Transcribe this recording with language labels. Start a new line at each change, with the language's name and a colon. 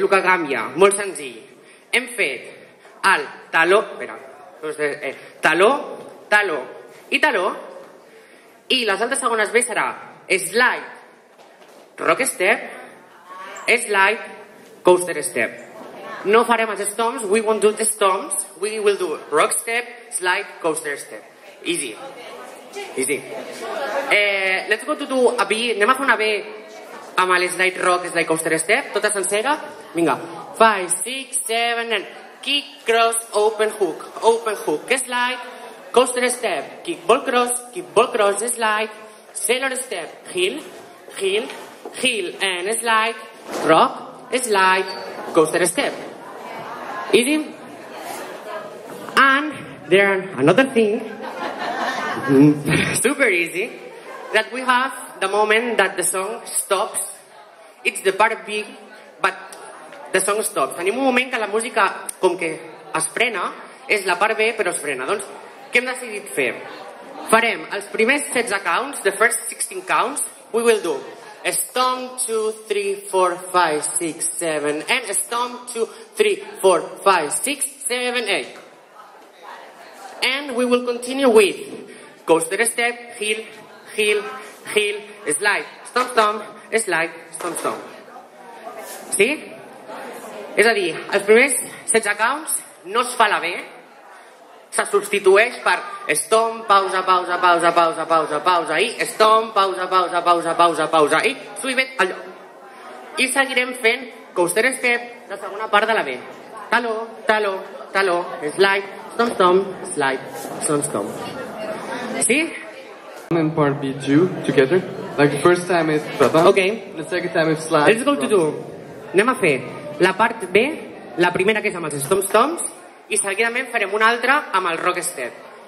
Catalan: El que canvia, molt senzill. Hem fet el taló, espera, taló, taló i taló, i les altres segones Bs serà slide, rock step, slide, coaster step. No farem els stomps,
English: we won't do the stomps, we will do rock step, slide, coaster step. Easy. Easy. Let's go to do a B.
Catalan: Anem a fer una B amb el slide rock, slide coaster step, tota sencera. Vinga.
English: 5, 6, 7, and kick, cross, open hook, open hook, slide, coaster step, kick, ball cross, slide, sailor step, heel, heel, heel, and slide, rock, slide, coaster step. Easy. And there another thing. Super easy. That we have the moment that the song stops. It's the part B, but the song stops.
Catalan: Tenim un moment que la música com que es frena, és la part B però es frena. Doncs què hem decidit fer? Farem els primers 16 counts,
English: the first 16 counts, we will do stomp 2, 3, 4, 5, 6, 7, and stomp 2, 3, 4, 5, 6, 7, 8. And we will continue with coaster step, heel, heel, heel, slide, stomp, stomp, slide, stomp, stomp. Sí?
Catalan: És a dir, els primers 16 counts no es fa la B, se substitueix per stomp, pausa, pausa, pausa, pausa, pausa, pausa, i stomp, pausa, pausa, pausa, pausa, pausa, i suivet allò. I seguirem fent coaster step, la segona part de la B. Taló, taló, taló, slide, stomp, stomp, slide, stomp, stomp. Sí?
English: One and part B two together. Like the first time is ba-bam. Okay. The second time is slide. Let's go to do.
Catalan: Anem a fer la part B, la primera que és amb els stomp, stomps, i seguidament farem una altra amb el rock step.